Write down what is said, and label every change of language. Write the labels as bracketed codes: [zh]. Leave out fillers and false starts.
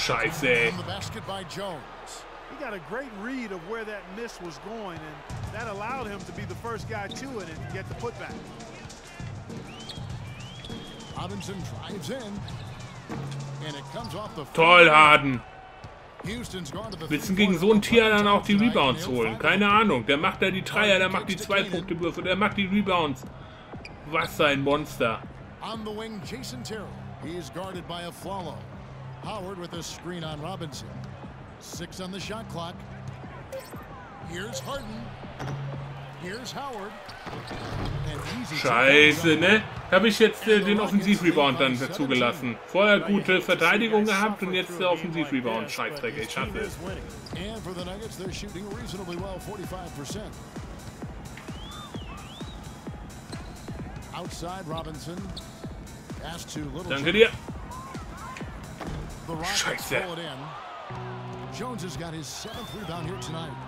[de] Scheiße, ey. [en] The basket by Jones. He got a great read of where that miss was going and that allowed him to be the first guy to it and get the putback. Robinson drives in and it comes off the [de] Toll, Harden. Willst du gegen so ein Tier dann auch die Rebounds holen? Keine Ahnung. Der macht da die Dreier, der macht die 2-Punkte-Würfe, der macht die Rebounds. Was ein Monster. [en] On the wing, Jason Terrell. He is guarded by a Aflalo. Howard with a screen on Robinson. 6 on the shot clock. Here's Harden. Here's Howard. [de] Scheiße, ne? Habe ich jetzt den Offensiv-Rebound dann dazugelassen. Vorher gute Verteidigung gehabt und jetzt der Offensiv-Rebound. Scheiße, ich schaffe es. [en] And for the Nuggets, they're shooting reasonably well, 45%. Outside Robinson. [de] Danke dir. [en] Scheiße. Jones has got his 7th rebound here tonight.